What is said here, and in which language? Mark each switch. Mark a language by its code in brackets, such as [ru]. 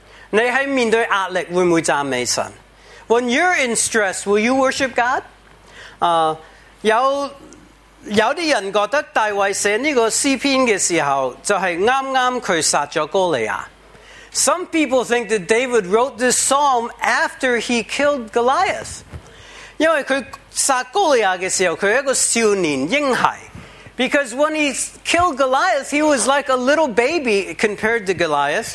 [zh] 你在面对压力，会不会赞美神？ [en] When you're in stress, will you worship God? [zh] 有些人觉得大卫写这个诗篇的时候，就是刚刚他杀了哥利亚。 [en] Some people think that David wrote this psalm after he killed Goliath. [zh] 因为他杀哥利亚的时候，他是一个少年婴孩。 [en] Because when he killed Goliath, he was like a little baby compared to Goliath.